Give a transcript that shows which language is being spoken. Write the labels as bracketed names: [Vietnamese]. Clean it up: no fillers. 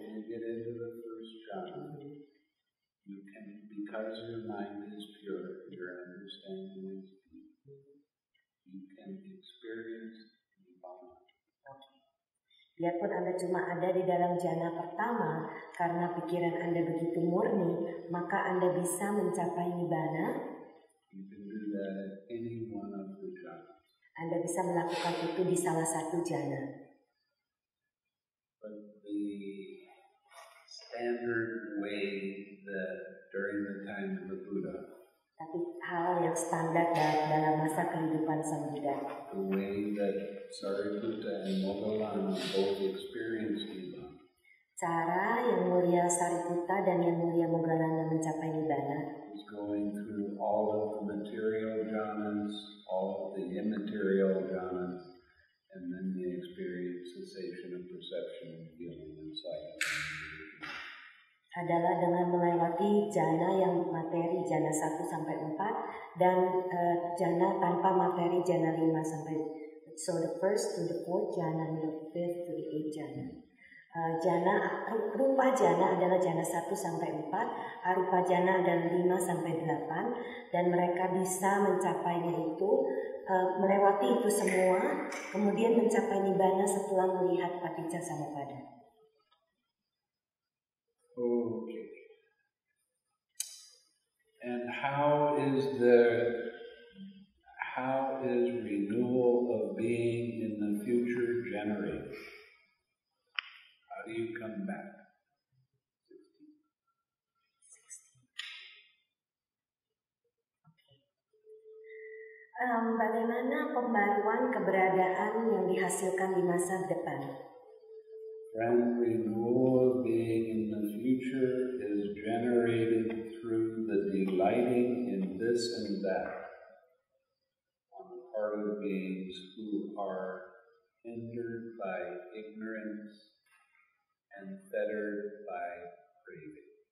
[English] When you get into the first jhana, you can, because your mind is pure, your understanding is deep, you can experience nirvana. [Indonesian] Okay. Biarpun Anda cuma ada di dalam jhana pertama, karena pikiran Anda begitu murni, maka Anda bisa mencapai nirvana. [English] You can do that at any one of the jhanas. [Indonesian] Anda bisa melakukan itu di salah satu jhana. [English] But the standard way that during the time of the Buddha, [Indonesian] tapi hal yang standar dalam masa kehidupan Sang Buddha, [English] the way that Sariputta and Moggallana both experienced nibbana, [Indonesian] cara yang mulia Sariputta dan yang mulia Moggallana mencapai nibbana, [English] is going through all of the material jhanas, all of the immaterial jhanas, and then the experience cessation of perception, feeling, and sight. [Indonesian] Adalah dengan melewati jhana yang materi, jhana 1 sampai 4, dan jhana tanpa materi, jhana 5 sampai. [English] So the first to the fourth jhana, the fifth to the eighth jhana. [Indonesian] Rupa jhana adalah jhana 1 sampai 4, arupa jhana adalah 5 sampai 8, dan mereka bisa mencapainya itu, melewati itu semua, kemudian mencapai nibbana setelah melihat paticcasamuppada. [English] Okay. And how is renewal of being in the future generated? How do you come back? 16. Okay. [Indonesian] Bagaimana pembaruan keberadaan yang dihasilkan di masa depan? [English] Friend, renewal of being in the future is generated through the delighting in this and that on the part of beings who are hindered by ignorance and fettered by craving.